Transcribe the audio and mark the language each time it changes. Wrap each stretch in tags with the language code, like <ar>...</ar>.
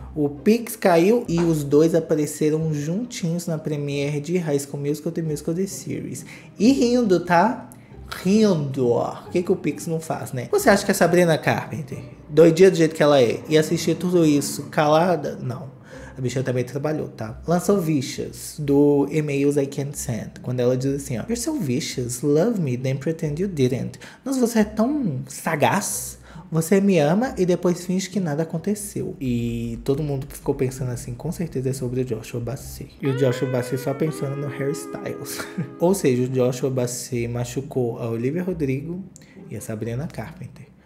<pt>O Pix caiu e os dois apareceram juntinhos na premiere de High School Musical The Musical The Series. E rindo, tá? Rindo, ó. O que que o Pix não faz, né? Você acha que a Sabrina Carpenter, doidinha do jeito que ela é, ia assistir tudo isso calada? Não. A bicha também trabalhou, tá? Lançou Vicious, do Emails I Can't Send. Quando ela diz assim, ó.</pt> <en>You're so vicious, love me, then pretend you didn't.</en> <pt>Mas você é tão sagaz. Você me ama e depois finge que nada aconteceu. E todo mundo ficou pensando assim, com certeza é sobre o Joshua Bassett. E o Joshua Bassett só pensando no Harry Styles. Ou seja, o Joshua Bassett machucou a Olivia Rodrigo e a Sabrina Carpenter.</pt>